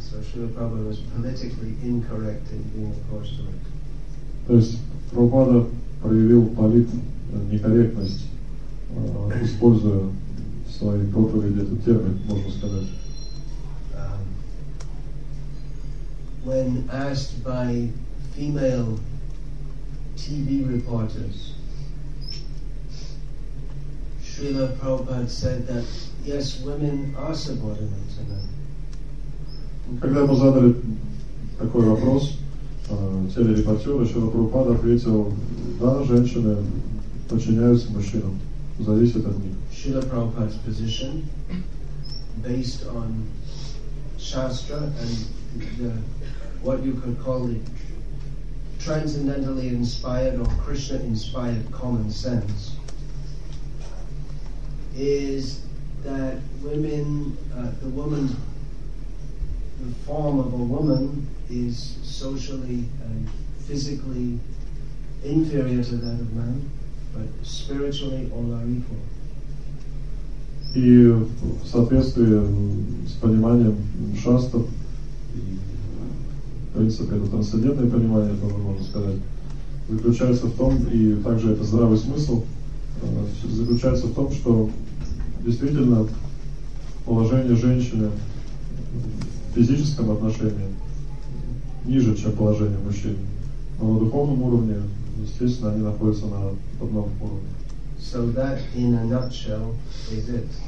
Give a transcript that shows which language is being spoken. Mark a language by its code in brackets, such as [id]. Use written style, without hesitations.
[en] So Srila Prabhupada was politically incorrect in being opposed to it. [ru] То есть Прабхупада проявил политнекорректность, используя в своей проповеди этот термин, можно сказать. [en] When asked by female TV reporters, Srila Prabhupada said that yes, women are subordinate to men. [ru] Когда ему задали такой вопрос, телерепортер Шрила Прабхупада ответил: да, женщины подчиняются мужчинам, зависит от них. [en] Шрила Прабхупада's position, based on Shastra and the what you could call the transcendentally inspired or Krishna-inspired common sense, is that women, the woman, the form of a woman is socially and physically inferior to that of man, but spiritually all are equal. [ru] И в соответствии с пониманием шастр, в принципе, это трансцендентное понимание, это мы можем сказать, заключается в том, и также это здравый смысл, заключается в том, что действительно положение женщины в физическом отношении ниже, чем положение мужчины. Но на духовном уровне, естественно, они находятся на одном уровне. [en] So that, in a nutshell, is it.